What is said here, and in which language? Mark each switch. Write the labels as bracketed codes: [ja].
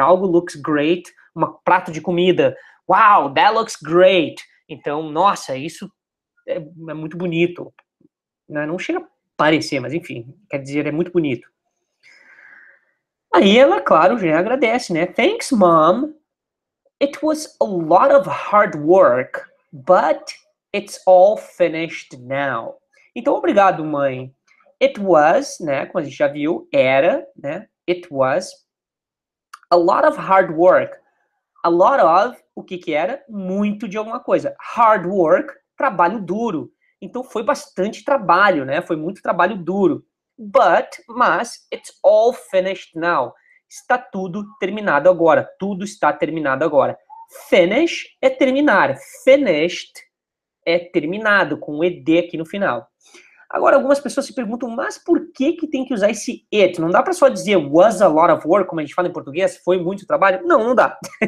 [en] Algo looks great, [pt] um prato de comida, [en] wow, that looks great. [pt] Então, nossa, isso é muito bonito. Né? Não chega a parecer, mas enfim, quer dizer, é muito bonito. Aí ela, claro, já agradece, né? [en] Thanks, mom. It was a lot of hard work, but it's all finished now. [pt] Então, obrigado, mãe. It was, né, como a gente já viu, era, né, [en] it was a lot of hard work. [pt] A lot of, o que que era? Muito de alguma coisa. [en] Hard work, [pt] trabalho duro. Então, foi bastante trabalho, né, foi muito trabalho duro. [en] But, [pt] mas, [en] it's all finished now. [pt] Está tudo terminado agora, tudo está terminado agora. Finish é terminar, finished é terminado, com o ED aqui no final. Agora, algumas pessoas se perguntam, mas por que que tem que usar esse it? Não dá para só dizer [en] was a lot of work, [pt] como a gente fala em português, foi muito trabalho? Não, não dá.